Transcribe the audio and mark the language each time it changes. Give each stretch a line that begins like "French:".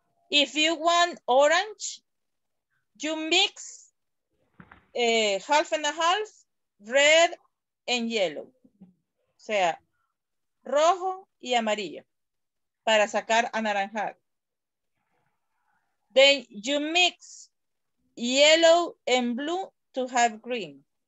English: If you want orange, you mix half and a half, red and yellow.
Spanish: O sea, rojo y amarillo para sacar anaranjado.
English: Then you mix yellow and blue to have green.